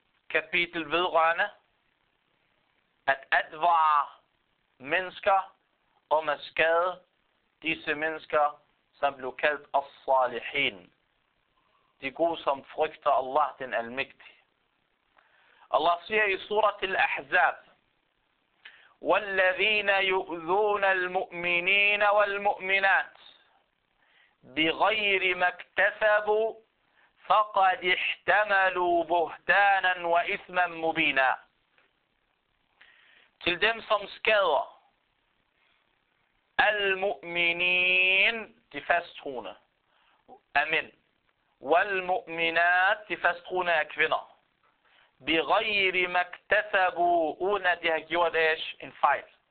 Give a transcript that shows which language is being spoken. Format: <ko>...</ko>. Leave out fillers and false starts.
<da>Kapitel vedrørende at advare mennesker om at skade disse mennesker, som blev kaldt as-salihin. De gode, som frygter Allah, den almægtige. Allah siger i surat al-Ahzab,</da> <ar>وَالَّذِينَ يُؤْذُونَ الْمُؤْمِنِينَ وَالْمُؤْمِنَاتِ بغير ما اكتسبوا فقد احتملوا بهتانا وإثما مبينا.</ar> <da>Til dem, som skader al-mu'minin, de fasttroende, er mænd. Wal-mu'minat, de fasttroende, er kvinder.</da> <ar>Bi-ghayri maktasabu,</ar> <da>uden at de har gjort æsh, en fejl.</da>